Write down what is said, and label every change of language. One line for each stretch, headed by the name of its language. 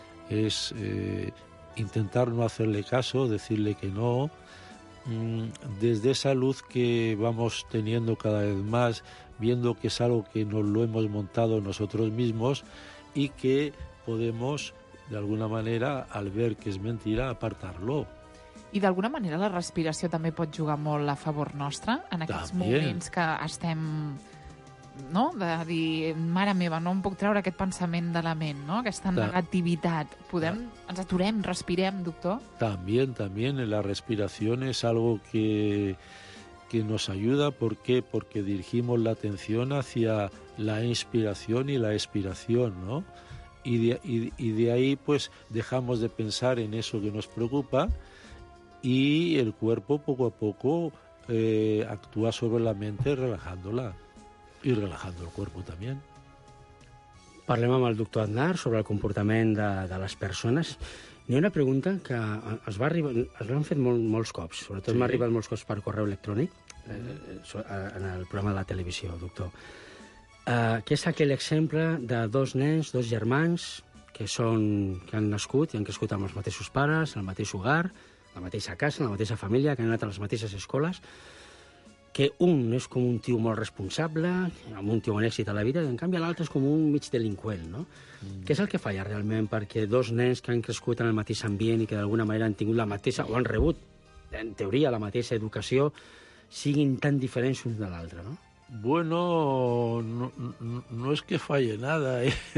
Spanish: Es intentar no hacerle caso, decirle que no. Desde esa luz que vamos teniendo cada vez más, viendo que es algo que nos lo hemos montado nosotros mismos y que podemos, de alguna manera, al ver que es mentira, apartarlo.
Catalan: I d'alguna manera la respiració també pot jugar molt a favor nostre en aquests moments que estem, no?, de dir, mare meva, no em puc treure aquest pensament de la ment, no?, aquesta negativitat. Podem, ens aturem, respirem, doctor?
Spanish: También, la respiración es algo que que nos ayuda. ¿Por qué? Porque dirigimos la atención hacia la inspiración y la expiración, ¿no? Y de ahí, pues, dejamos de pensar en eso que nos preocupa y el cuerpo poco a poco actúa sobre la mente relajándola y relajando el cuerpo también.
Catalan: Parlem amb el doctor Aznar sobre el comportament de les persones. Hi ha una pregunta que es va arribar, es l'han fet molts cops, sobretot sí. M'ha arribat molts cops per correu electrònic en el programa de la televisió, doctor. Què és aquell exemple de dos nens, dos germans, que han nascut i han crescut amb els mateixos pares, en el mateix hogar, la mateixa casa, la mateixa família, que han anat a les mateixes escoles, que un és com un tio molt responsable, amb un tio amb èxit a la vida, i en canvi l'altre és com un mig delinqüent, no? Mm. Què és el que falla realment perquè dos nens que han crescut en el mateix ambient i que d'alguna manera han tingut la mateixa, o han rebut, en teoria, la mateixa educació, siguin tan diferents uns de l'altre, no?
Spanish: Bueno, no es que falle nada, ¿eh?